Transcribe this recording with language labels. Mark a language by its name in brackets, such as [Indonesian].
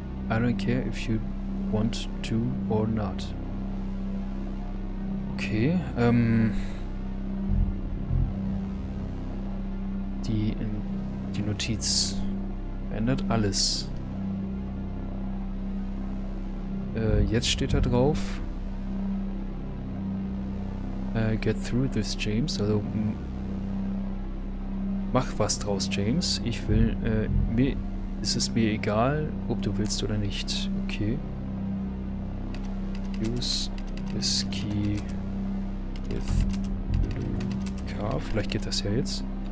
[English] I don't care if you want to or not. [German] Okay, die Notiz ändert alles. Jetzt steht da drauf. [English] Get through this, James. [German] Also mach was draus, James. Ich will. Es ist mir egal, ob du willst oder nicht. Okay. [English] Use this key with Luca. [German] Vielleicht geht das ja jetzt.